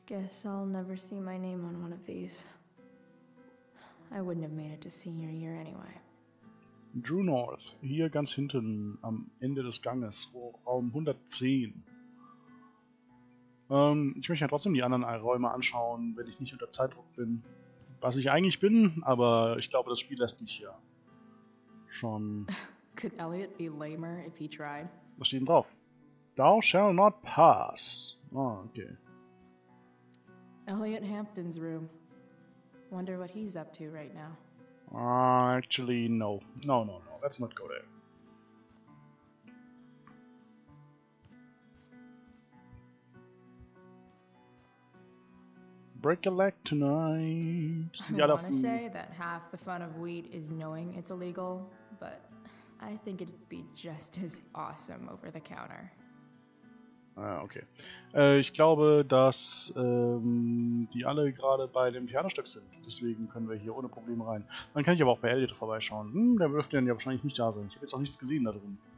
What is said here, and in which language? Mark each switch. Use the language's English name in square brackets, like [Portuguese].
[English] Guess I'll never see my name on one of these. I wouldn't have made it to senior year anyway. [German] Drew North, hier ganz hinten am Ende des Ganges, Raum 110. Ich möchte ja trotzdem die anderen Räume anschauen, wenn ich nicht unter Zeitdruck bin. Was ich eigentlich bin, aber ich glaube, das Spiel lässt mich hier schon. [English] Could Elliot be lamer if he tried? [German] Was steht denn drauf? [English] Thou shall not pass. [German] Oh, okay. [English] Elliot Hampton's room. Wonder what he's up to right now. Actually, no. No, no, no. Let's not go there. Break a leg tonight. I want to say that half the fun of weed is knowing it's illegal, but I think it'd be just as awesome over the counter. Okay. [German] Ich glaube, dass die alle gerade bei dem Pianostück sind. Deswegen können wir hier ohne Probleme rein. Dann kann ich aber auch bei Elliot vorbeischauen. Der dürfte dann ja wahrscheinlich nicht da sein. Ich habe jetzt auch nichts gesehen da drin.